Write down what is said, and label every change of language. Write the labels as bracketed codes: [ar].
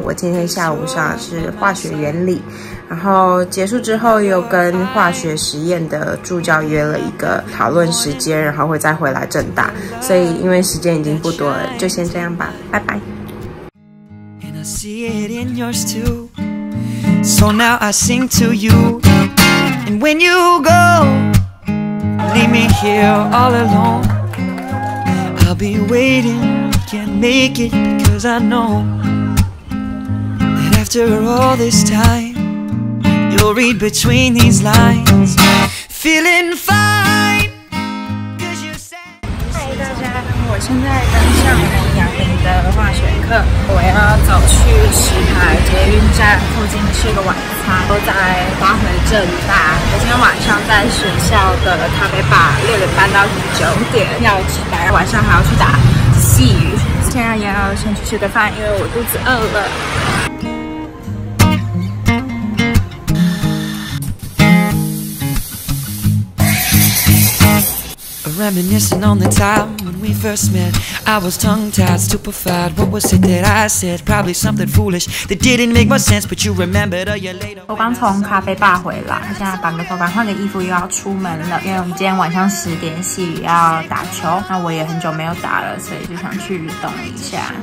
[zh] 我今天下午上是化学原理，然后结束之后又跟化学实验的助教约了一个讨论时间，然后会再回来政大，所以因为时间已经不多了，就先这样吧，拜拜。 [en] And I see it in yours too. So now I sing to youAnd when you go, leave me here all alone. I'll be waiting, can't make it, cause I know that after all this time, you'll read between these lines. Feeling fine, cause you said. [zh] Hi, 大家，我现在刚上完阳明的化学课，我要走去石牌捷运站附近吃个晚餐。我在搬回政大，我今天晚上在学校的咖啡吧6:30到9:00要吃饭，晚上还要去打戏，现在也要先去吃个饭，因为我肚子饿了。 [en] Reminiscing on the time when we first met, I was tongue-tied, stupefied. What was it that I said? Probably something foolish that didn't make much sense, but you remembered a year later. [zh] 我刚从咖啡吧回来，现在把个头发换个衣服又要出门了，因为我们今天晚上10:00戏雨要打球，那我也很久没有打了，所以就想去动一下。